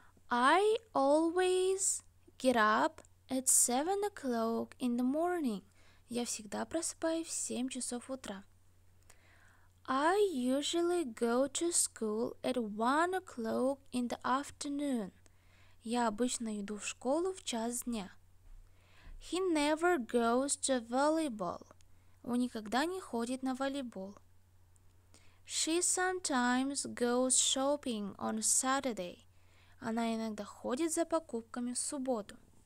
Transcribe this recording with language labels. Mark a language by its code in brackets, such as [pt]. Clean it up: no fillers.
[en] I always get up at 7 o'clock in the morning. [ru] Я всегда просыпаюсь в 7 часов утра. [en] I usually go to school at 1 o'clock in the afternoon. [ru] Я обычно иду в школу в час дня. [en] He never goes to volleyball. [ru] Он никогда не ходит на волейбол. [en] She sometimes goes shopping on Saturday. [ru] Она иногда ходит за покупками в субботу.